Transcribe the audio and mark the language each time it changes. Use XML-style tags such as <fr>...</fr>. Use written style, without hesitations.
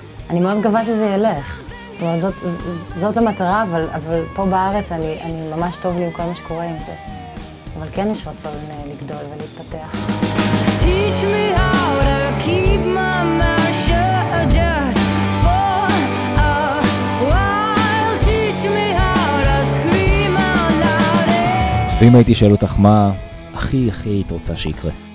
<he>אני מאוד מקווה שזה ילך. זאת אומרת, זאת המטרה, אבל פה בארץ אני ממש טוב לי עם כל מה שקורה עם זה. אבל כן יש רצון לגדול ולהתפתח.</he> <en>Teach me how to keep my mouth shut just for a while. Teach me how to scream out loud.</en> <he>ואם הייתי שואל אותך מה הכי הכי היית רוצה שיקרה?</he>